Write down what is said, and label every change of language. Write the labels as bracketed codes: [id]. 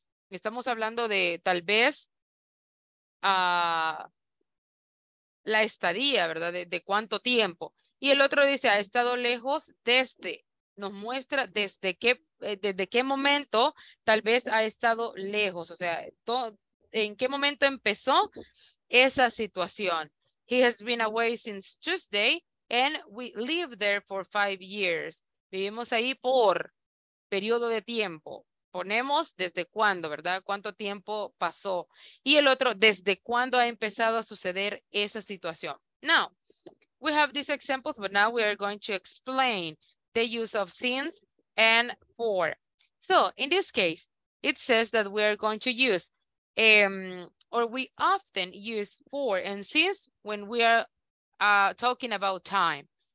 [es] Estamos hablando de tal vez la estadía, ¿verdad? De cuánto tiempo. Y el otro dice, ha estado lejos desde, nos muestra desde qué momento tal vez ha estado lejos. O sea, en qué momento empezó esa situación. [en] He has been away since Tuesday and we live there for 5 years. [es] Vivimos ahí por periodo de tiempo. Ponemos desde cuándo, ¿verdad? ¿Cuánto tiempo pasó? Y el otro, ¿desde cuándo ha empezado a suceder esa situación? [en] Now, we have these examples, but now we are going to explain the use of since and for. So, in this case, it says that we are going to use, or we often use for and since when we are talking about time.